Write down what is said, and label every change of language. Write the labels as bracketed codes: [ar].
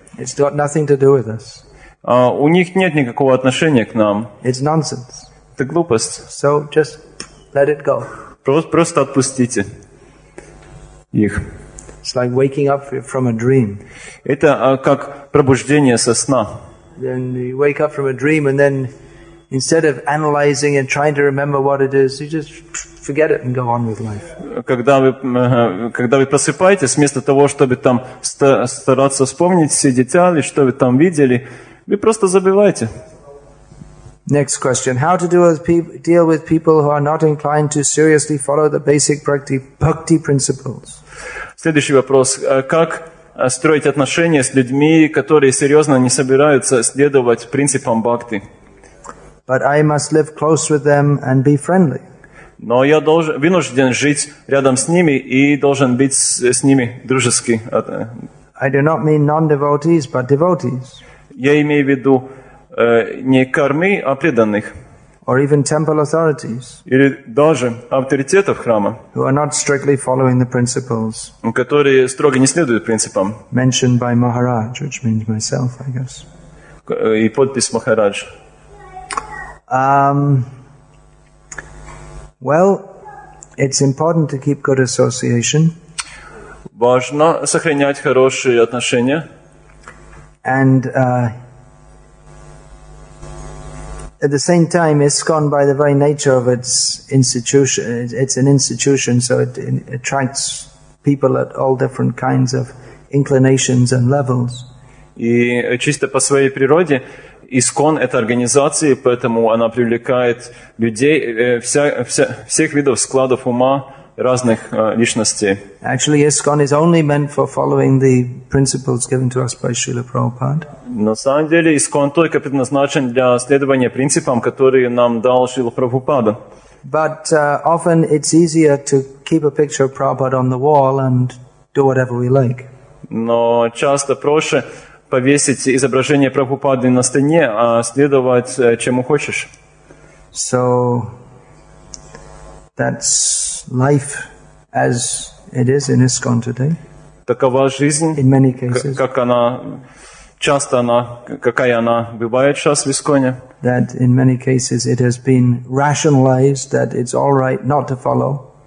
[en] It's got nothing to do with us. [ru] У них нет никакого отношения к нам. [en] It's nonsense. [ru] Это глупость. [en] So just let it go. [ru] Просто отпустите их. [en] It's like waking up from a dream. [ru] Это как пробуждение со сна. [en] then you wake up from a dream, and then instead of analyzing and trying to remember what it is, you just forget it and go on with life. [ru] Когда вы просыпаетесь, вместо того, чтобы там стараться вспомнить все детали, что вы там видели, вы просто забываете. [en] Next question: how to deal with people who are not inclined to seriously follow the basic bhakti principles? [ru] Следующий вопрос: как строить отношения с людьми, которые серьезно не собираются следовать принципам бхакти? [en] But I must live close with them and be friendly. [ru] Но я должен вынужден жить рядом с ними и должен быть с ними дружески. [en] I do not mean non-devotees, but devotees. [ru] Я имею в виду не кармы, а преданных. [en] Or even temple authorities. [ru] Или даже авторитетов храма. [en] Who are not strictly following the principles. [ru] Которые строго не следуют принципам. [en] Mentioned by Maharaj, which means myself, I guess. [ru] И подпись Махарадж. [en] Well, it's important to keep good association. [ru] Важно сохранять хорошие отношения. [en] And at the same time, ISKCON, by the very nature of its institution, it's an institution, so it attracts people at all different kinds of inclinations and levels. [ru] И чисто по своей природе ISKCON — это организация, поэтому она привлекает людей всех видов складов ума, разных личностей. [en] Actually, ISKCON is only meant for following the principles given to us by Srila Prabhupada. [ru] На самом деле, ISKCON только предназначен для следования принципам, которые нам дал Шрила Прабхупада. [en] But often it's easier to keep a picture of Prabhupada on the wall and do whatever we like. [ru] Но часто проще повесить изображение Прабхупады на стене, а следовать чему хочешь. [en] So that's life as it is in ISKCON today. [ru] Такова жизнь. [en] In many cases. [ru] Какая она бывает сейчас в ИСКОНе. [en] That in many cases it has been rationalized that it's all right not to follow.